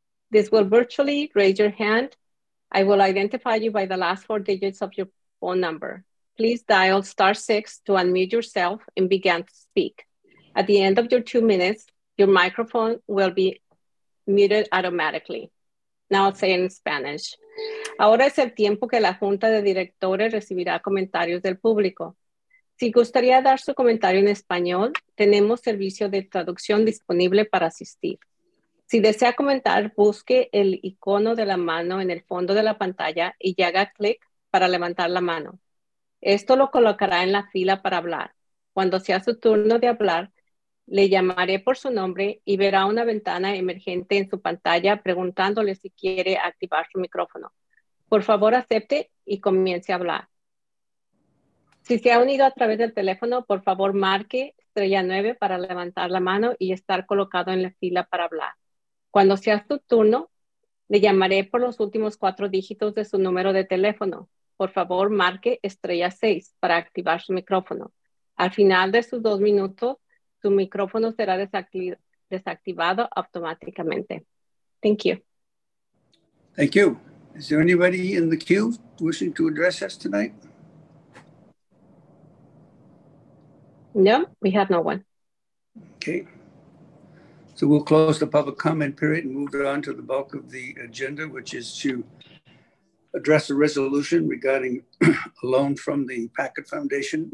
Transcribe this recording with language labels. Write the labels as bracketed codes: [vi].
[en] This will virtually raise your hand. I will identify you by the last four digits of your phone number. Please dial *6 to unmute yourself and begin to speak. At the end of your 2 minutes, your microphone will be muted automatically. Now I'll say in Spanish. [es] Ahora es el tiempo que la Junta de Directores recibirá comentarios del público. Si gustaría dar su comentario en español, tenemos servicio de traducción disponible para asistir. Si desea comentar, busque el icono de la mano en el fondo de la pantalla y haga clic para levantar la mano. Esto lo colocará en la fila para hablar. Cuando sea su turno de hablar, le llamaré por su nombre y verá una ventana emergente en su pantalla preguntándole si quiere activar su micrófono. Por favor, acepte y comience a hablar. Si se ha unido a través del teléfono, por favor, marque *9 para levantar la mano y estar colocado en la fila para hablar. Cuando sea su turno, le llamaré por los últimos 4 dígitos de su número de teléfono. Por favor, marque *6 para activar su micrófono. Al final de sus 2 minutos, su micrófono será desactivado automáticamente. [en] Thank you. Thank you. Is there anybody in the queue wishing to address us tonight? No, we have no one. Okay. So we'll close the public comment period and move on to the bulk of the agenda, which is to address a resolution regarding a loan from the Packard Foundation.